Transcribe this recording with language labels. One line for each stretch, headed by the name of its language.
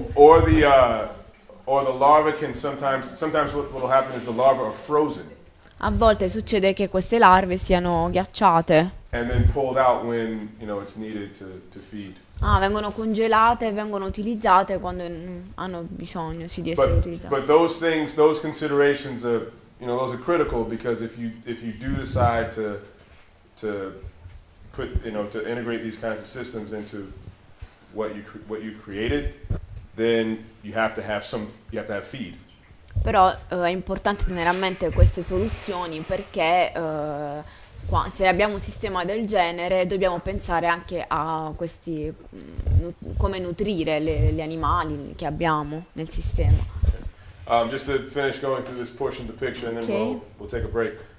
English: Or the larva can sometimes what will happen is the larva are frozen.
Italian: A volte succede che queste larve siano ghiacciate.
English: And then pulled out when, you know, it's needed to feed.
Italian: Ah, vengono congelate e vengono utilizzate quando hanno bisogno, sì, di essere utilizzate.
English: But those things, those considerations are, you know, those are critical because if you do decide to integrate these kinds of systems into what you've created, then you have to have feed.
Italian: Però è importante tenere a mente queste soluzioni perché se abbiamo un sistema del genere dobbiamo pensare anche a questi come nutrire gli animali che abbiamo nel sistema.
English: Just to finish going through this portion of the picture and then we'll take a break.